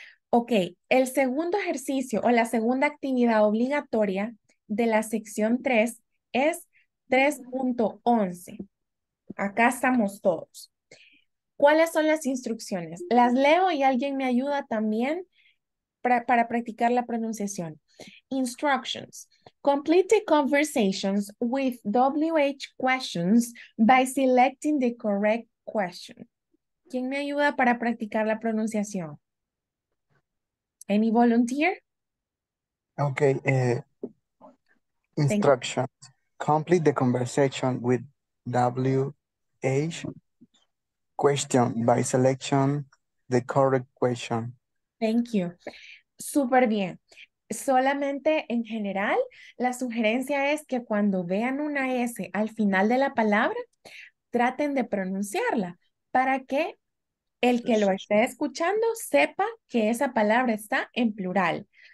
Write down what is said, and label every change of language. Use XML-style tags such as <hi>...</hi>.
<es>Ok, el segundo ejercicio o la segunda actividad obligatoria de la sección 3 es 3.11. Acá estamos todos. ¿Cuáles son las instrucciones? Las leo y alguien me ayuda también para practicar la pronunciación.</es> <en>Instructions. Complete the conversations with WH questions by selecting the correct question.</en> <es>¿Quién me ayuda para practicar la pronunciación?</es> <en>¿Any volunteer? Ok. Instructions. Complete the conversation with WH question by selecting the correct question. Thank you.</en> <es>Súper bien. Solamente en general, la sugerencia es que cuando vean una S al final de la palabra, traten de pronunciarla para que el que lo esté escuchando sepa que esa palabra está en plural.</es>